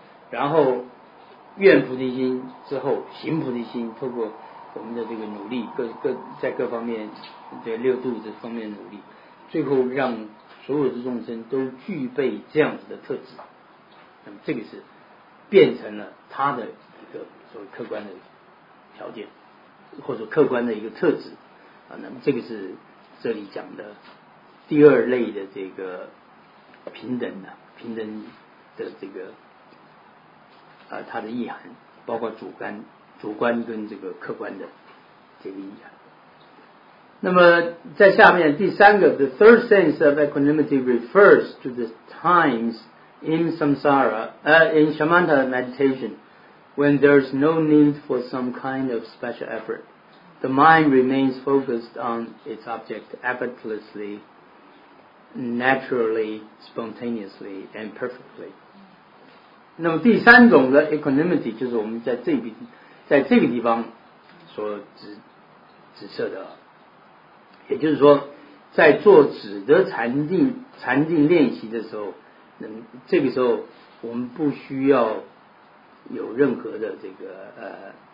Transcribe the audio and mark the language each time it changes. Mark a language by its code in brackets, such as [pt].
[zh] 然后愿菩提心之后行菩提心，透过我们的这个努力，在各方面这六度这方面努力，最后让所有的众生都具备这样子的特质，那么这个是变成了他的一个所谓客观的条件，或者客观的一个特质啊。那么这个是这里讲的第二类的这个平等的、平等的这个它的意涵，包括主观跟这个客观的这个意涵。那么在下面第三个 [en] The third sense of equanimity refers to the times in samsara, in shamatha meditation when there is no need for some kind of special effort. The mind remains focused on its object effortlessly, naturally, spontaneously, and perfectly. [zh] 那么第三种的 equanimity 就是我们在这个地方所指涉的，也就是说在做止的禅定练习的时候，这个时候我们不需要有任何的这个